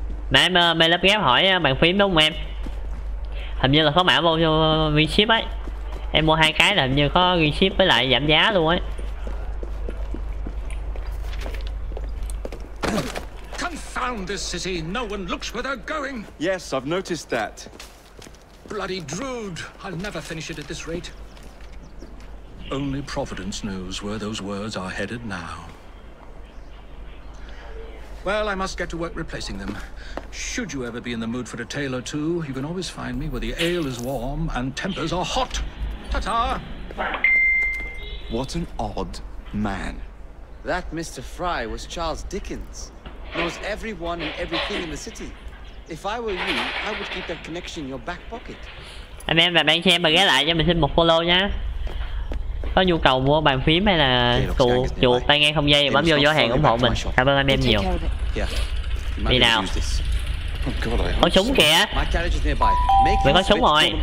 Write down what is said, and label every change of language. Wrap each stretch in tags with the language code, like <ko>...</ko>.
<vi>Mẹ mày lắp ghép hỏi bàn phím đúng không em? Hình như là có mã vô ghi ship ấy. Em mua hai cái là hình như có ghi ship với lại giảm giá luôn ấy.</vi> <en>Confound this city, no one looks where they're going. Yes, I've noticed that. Bloody Drood, I'll never finish it at this rate. Only Providence knows where those words are headed now. Well, I must get to work replacing them. Should you ever be in the mood for a tale or two, you can always find me where the ale is warm and tempers are hot. Ta-ta! What an odd man. That Mr. Fry was Charles Dickens. Knows everyone and everything in the city. If I were you, I would keep that connection in your back pocket.</en> <vi>Anh em và bạn xem mà ghé lại cho mình xin một follow nhé. Có nhu cầu mua bàn phím hay là chuột tai nghe không dây thì bấm vô giỏ hàng ủng hộ mình. Cảm ơn anh em nhiều. Đi nào. Có súng kìa. Mày có súng rồi.</vi>